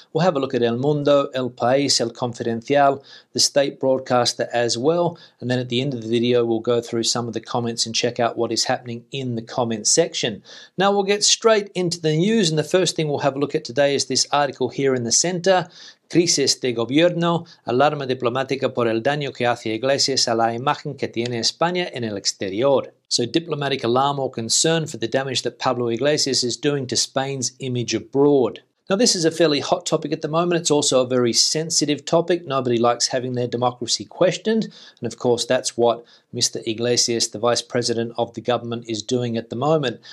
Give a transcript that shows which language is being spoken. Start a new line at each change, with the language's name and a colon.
English: We'll have a look at El Mundo, El País, El Confidencial, the state broadcaster as well. And then at the end of the video, we'll go through some of the comments and check out what is happening in the comments section. Now we'll get straight into the news. And the first thing we'll have a look at today is this article here in the center.
Spanish: Crisis de gobierno, alarma diplomática por el daño que hace Iglesias a la imagen que tiene España en el exterior.
English: So diplomatic alarm or concern for the damage that Pablo Iglesias is doing to Spain's image abroad. Now this is a fairly hot topic at the moment. It's also a very sensitive topic. Nobody likes having their democracy questioned. And of course, that's what Mr. Iglesias, the vice president of the government, is doing at the moment.